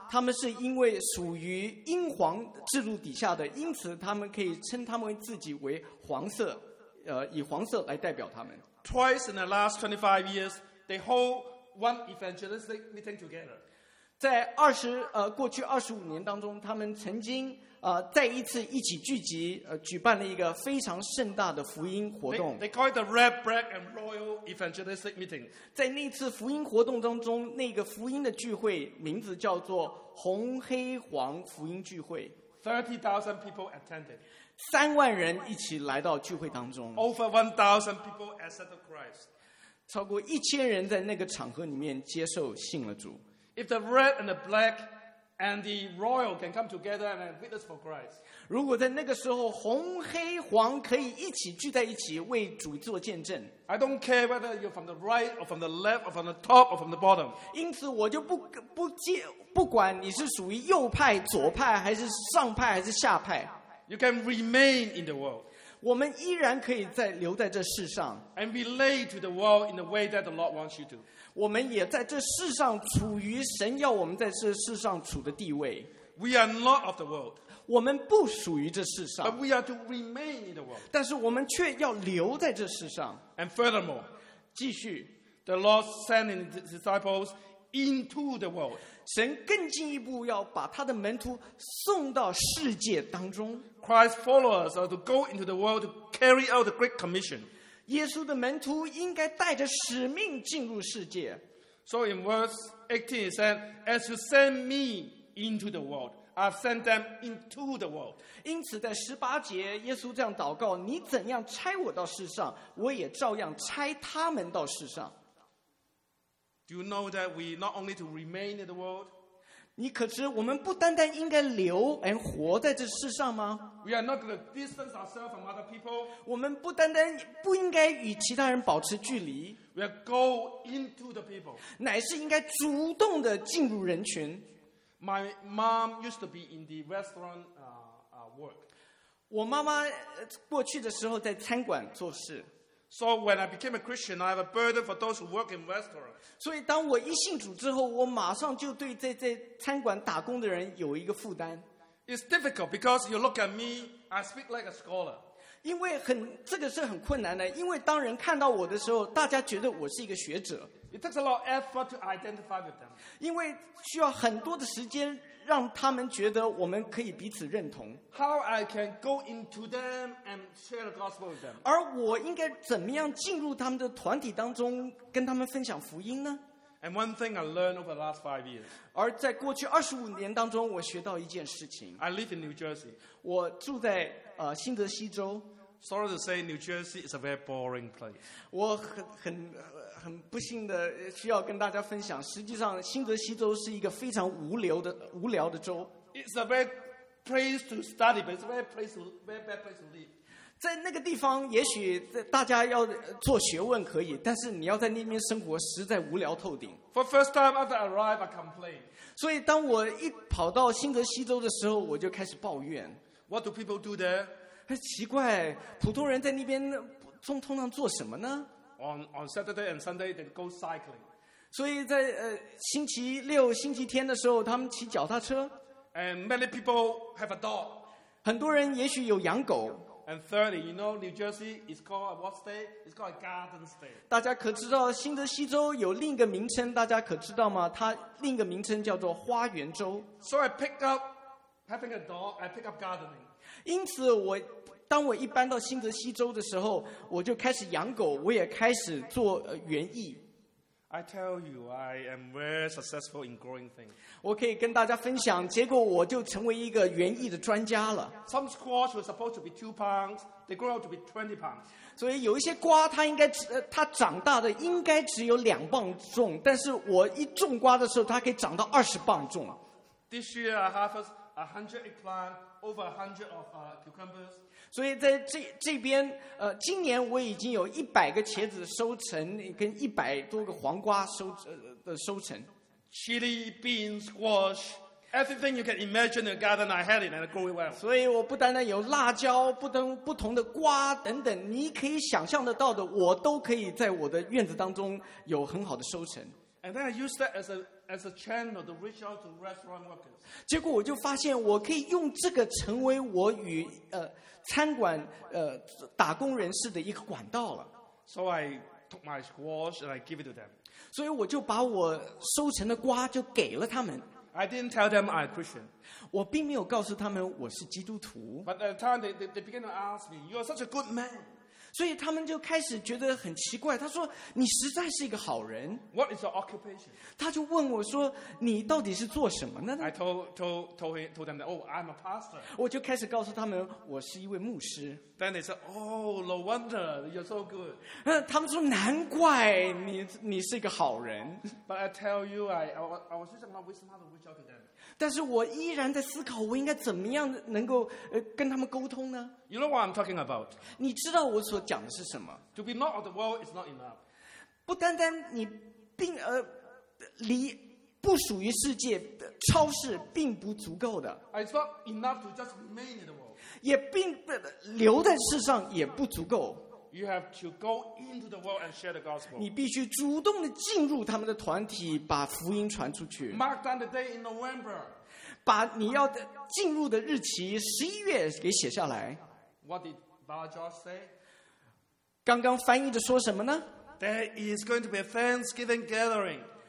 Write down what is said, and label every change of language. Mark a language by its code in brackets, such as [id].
[zh] 他们是因为属于英皇制度底下的，因此他们可以称他们自己为黄色，以黄色来代表他们。 [en] Twice in the last 25 years, they hold one evangelistic meeting together. [zh] 在过去25年当中，他们曾经再一次一起聚集，举办了一个非常盛大的福音活动。 [en] They call it the Red, Black, and Royal Evangelistic Meeting. [zh] 在那次福音活动当中，那个福音的聚会名字叫做红、黑、黄福音聚会。 [en] 30,000 people attended. [zh] 30,000人一起来到聚会当中。 [en] Over 1,000 people accepted Christ. [zh] 超过1,000人在那个场合里面接受信了主。 [en] If the red and the black And the royal can come together and witness for Christ. [zh] 如果在那个时候红黑黄可以一起聚在一起为主做见证。 [en] I don't care whether you're from the right or from the left or from the top or from the bottom. [zh] 因此我就不管你是属于右派、左派还是上派还是下派。 [en] You can remain in the world. [zh] 我们依然可以在留在这世上。 [en] And relate to the world in the way that the Lord wants you to. [zh] 我们也在这世上处于神要我们在这世上处的地位。 [en] We are not of the world. [zh] 我们不属于这世上。 [en] But we are to remain in the world. [zh] 但是我们却要留在这世上。 [en] And furthermore, [zh] 继续 [en] the Lord sent his disciples into the world. [zh] 神更进一步要把他的门徒送到世界当中。 [en] Christ's followers are to go into the world to carry out the Great Commission. [zh] 耶稣的门徒应该带着使命进入世界。 [en] So in verse 18 it says, as you send me into the world, I've sent them into the world. [zh] 因此在十八节耶稣这样祷告，你怎样差我到世上，我也照样差他们到世上。 [en] Do you know that we not only to remain in the world? [zh] 你可知我们不单单应该留而活在这世上吗？ [en] We are not going to distance ourselves from other people. [zh] 我们不单单不应该与其他人保持距离。 [en] We are go into the people. [zh] 乃是应该主动的进入人群。 [en] My mom used to be in the restaurant work. [zh] 我妈妈过去的时候在餐馆做事。 [en] So when I became a Christian, I have a burden for those who work in restaurants. [zh] 所以当我一信主之后，我马上就对在餐馆打工的人有一个负担。 [en] It's difficult because you look at me, I speak like a scholar. [zh] 因为这个是很困难的，因为当人看到我的时候，大家觉得我是一个学者。 [en] It takes a lot of effort to identify with them. [zh] 因为需要很多的时间让他们觉得我们可以彼此认同。 [en] How I can go into them and share the gospel with them? [zh] 而我应该怎么样进入他们的团体当中，跟他们分享福音呢？ [en] And one thing I learned over the last 5 years. [zh] 而在过去25年当中，我学到一件事情。 [en] I live in New Jersey. [zh] 我住在新泽西州。 [en] Sorry to say, New Jersey is a very boring place. [zh] 我很不幸的需要跟大家分享，实际上新泽西州是一个非常无聊的州。 [en] It's a very place to study, but it's a very bad place to live. [zh] 在那个地方，也许大家要做学问可以，但是你要在那边生活，实在无聊透顶。 [en] For first time after I arrived, I complained. [zh] 所以当我一跑到新泽西州的时候，我就开始抱怨。 [en] What do people do there? [zh] 奇怪，普通人在那边通常做什么呢？ [en] On Saturday and Sunday they go cycling. [zh] 所以在星期六星期天的时候他们骑脚踏车。 [en] And many people have a dog. [zh] 很多人也许有养狗。 [en] And thirdly, you know New Jersey is called a what state? It's called a garden state. [zh] 大家可知道新泽西州有另一个名称，大家可知道吗？它另一个名称叫做花园州。 [en] So I pick up having a dog, I pick up gardening. [zh] 因此当我一搬到新泽西州的时候，我就开始养狗，我也开始做园艺。 [en] I tell you, I am very successful in growing things. [zh] 我可以跟大家分享，结果我就成为一个园艺的专家了。 [en] Some squash were supposed to be 2 pounds, they grew out to be 20 pounds. [zh] 所以有一些瓜它长大的应该只有2磅重，但是我一种瓜的时候它可以长到20磅重。 [en] This year I harvest 100 eggplant. Over 100 of cucumbers. [zh] 所以在这边，今年我已经有100个茄子收成，跟100多个黄瓜收成。 [en] Chili, beans, squash, everything you can imagine in a garden, I had it and it grew well. [zh] 所以我不单单有辣椒，不同的瓜等等，你可以想象得到的，我都可以在我的院子当中有很好的收成。 [en] And then I used that as a channel to reach out to restaurant workers. [zh] 结果我就发现我可以用这个成为我与餐馆打工人士的一个管道了。 [en] So I took my squash and I gave it to them. [zh] 所以我就把我收成的瓜就给了他们。 [en] I didn't tell them I'm a Christian. [zh] 我并没有告诉他们我是基督徒。 [en] But at the time they began to ask me, "You are such a good man." [zh] 所以他们就开始觉得很奇怪，他说你实在是一个好人。 [en] What is your occupation? [zh] 他就问我说你到底是做什么呢？ [en] I told them that, oh, I'm a pastor. [zh] 我就开始告诉他们我是一位牧师。 [en] Then they said, oh, no wonder, you're so good. [zh] 他们说难怪你是一个好人。 [en] But I tell you, I was just not wasting time to reach out to them. [zh] 但是我依然在思考我应该怎么样能够跟他们沟通呢？ [en] You know what I'm talking about. [zh] 你知道我所讲的是什么？ [en] To be not of the world is not enough. [zh] 不单单你并离不属于世界超市并不足够的。 [en] It's not enough to just remain in the world. [zh] 也并留在世上也不足够。 [en] You have to go into the world and share the gospel. [zh] 你必须主动地进入他们的团体，把福音传出去。 [en] Mark down the day in November. [zh] 把你要进入的日期11月给写下来。 [en] What did Barajas say? [zh] 刚刚翻译的说什么呢？ [en] There is going to be a Thanksgiving gathering.